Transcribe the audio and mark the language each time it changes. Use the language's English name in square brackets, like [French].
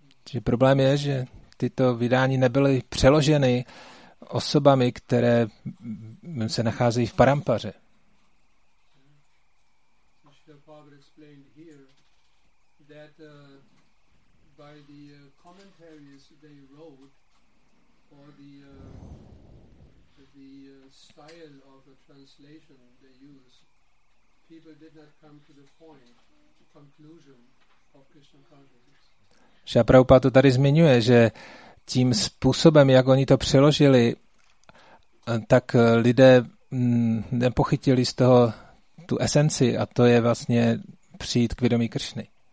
[Czech] Že problém je, že tyto vydání nebyly přeloženy osobami, které se nacházejí v parampaře. [English] the father explained here that by the commentaries they wrote or the style of the translation they use, people did not come to the point, the conclusion of Krishna consciousness. [Czech] Shri Prabhupada to tady zmiňuje, že tím způsobem, jak oni to přeložili, tak lidé nepochytili z toho tu esenci a to je vlastně přijít k vědomí Kršny.